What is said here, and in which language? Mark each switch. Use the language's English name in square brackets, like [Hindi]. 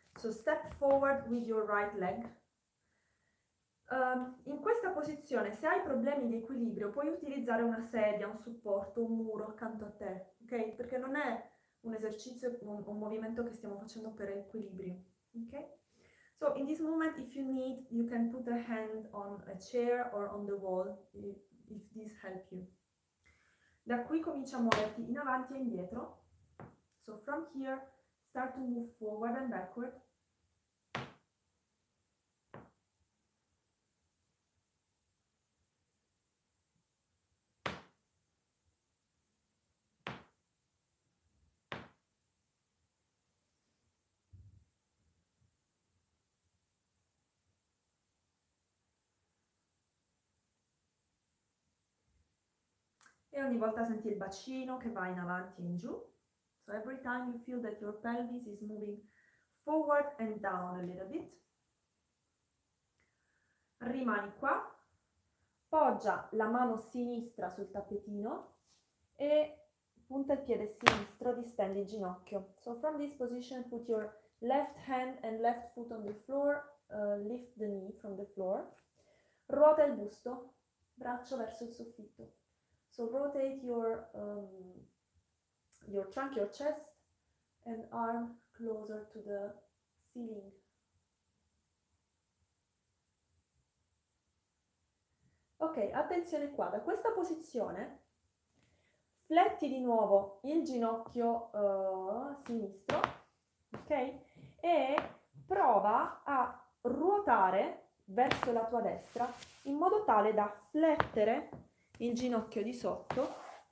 [English] So step forward with your right leg. [Italian] In questa posizione, se hai problemi di equilibrio, puoi utilizzare una sedia, un supporto, un muro accanto a te, ok? Perché non è un esercizio, un movimento che stiamo facendo per equilibrio, ok? [English] So in this moment, if you need, you can put a hand on a chair or on the wall, if this helps you. [Italian] Da qui comincia a muoverti in avanti e indietro. [English] So from here, start to move forward and backward. [Italian] E ogni volta senti il bacino che va in avanti e in giù. [English] So every time you feel that your pelvis is moving forward and down a little bit. [Italian] Rimani qua, poggia la mano sinistra sul tappetino e punta il piede sinistro, distendi il ginocchio. [English] So from this position put your left hand and left foot on the floor, lift the knee from the floor. [Italian] Ruota il busto, braccio verso il soffitto. [English] So rotate your trunk, your chest, and arm closer to the ceiling. [Italian] Ok, attenzione qua, da questa posizione fletti di nuovo il ginocchio sinistro, ok? E prova a ruotare verso la tua destra in modo tale da flettere il ginocchio di sotto